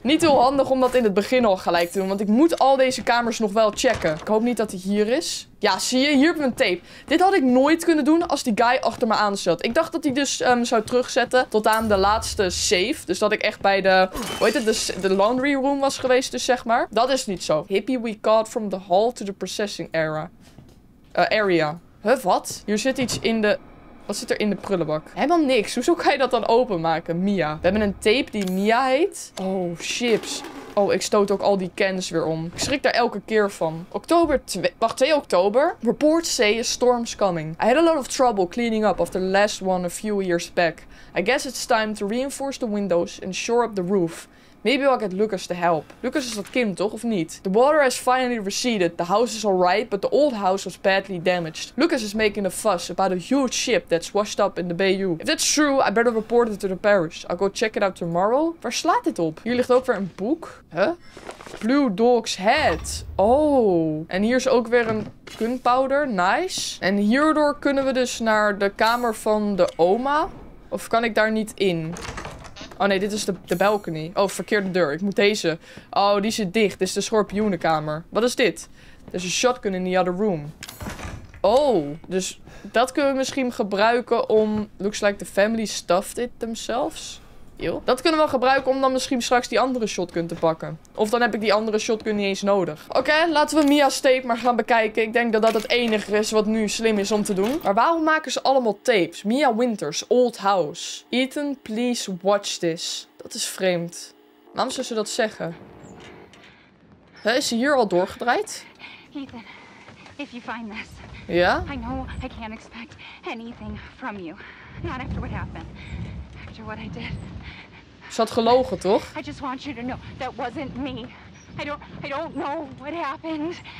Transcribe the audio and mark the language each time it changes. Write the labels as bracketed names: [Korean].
[Dutch] Niet heel handig om dat in het begin al gelijk te doen, want ik moet al deze kamers nog wel checken. Ik hoop niet dat hij hier is. Ja, zie je? Hier heb ik mijn tape. Dit had ik nooit kunnen doen als die guy achter me aan zat. Ik dacht dat hij dus zou terugzetten tot aan de laatste safe. Dus dat ik echt bij de... Hoe heet het? De laundry room was geweest dus, zeg maar. Dat is niet zo. [English] Hippie we caught from the hall to the processing era. [Dutch] Area. Huh, wat? Hier zit iets in de... Wat zit er in de prullenbak? Helemaal niks. Hoezo kan je dat dan openmaken, Mia? We hebben een tape die Mia heet. Oh, chips. Oh, ik stoot ook al die cans weer om. Ik schrik daar elke keer van. Oktober 2... Wacht, 2 oktober? [English] Reports say a storm's coming. I had a lot of trouble cleaning up after the last one a few years back. I guess it's time to reinforce the windows and shore up the roof. Maybe I'll get Lucas to help. [Dutch] Lucas is dat kind, toch? Of niet? [English] The water has finally receded. The house is alright, but the old house was badly damaged. Lucas is making a fuss about a huge ship that's washed up in the bayou. If that's true, I better report it to the parish. I'll go check it out tomorrow. [Dutch] Waar slaat dit op? Hier ligt ook weer een boek. Huh? Blue Dog's Head. Oh. En hier is ook weer een gunpowder. Nice. En hierdoor kunnen we dus naar de kamer van de oma. Of kan ik daar niet in? Oh nee, dit is de balcony. Oh, verkeerde deur. Ik moet deze. Oh, die zit dicht. Dit is de schorpioenenkamer. Wat is dit? Er is een shotgun [English] in the other room. [Dutch] Oh, dus dat kunnen we misschien gebruiken om... [English] Looks like the family stuffed it themselves. Eww. [Dutch] Dat kunnen we gebruiken om dan misschien straks die andere shotgun te pakken. Of dan heb ik die andere shotgun niet eens nodig. Oké, laten we Mia's tape maar gaan bekijken. Ik denk dat dat het enige is wat nu slim is om te doen. Maar waarom maken ze allemaal tapes? Mia Winters, Old House. [English] Ethan, please watch this. [Dutch] Dat is vreemd. Waarom zou ze dat zeggen? Hè, is ze hier al doorgedraaid? [English] Ethan, if you find this. Ja? I know I can't expect anything from you. Not after what happened. What I did. [Dutch] Ze had gelogen, toch? [English] I just want you to know that wasn't me. I don't know what happened.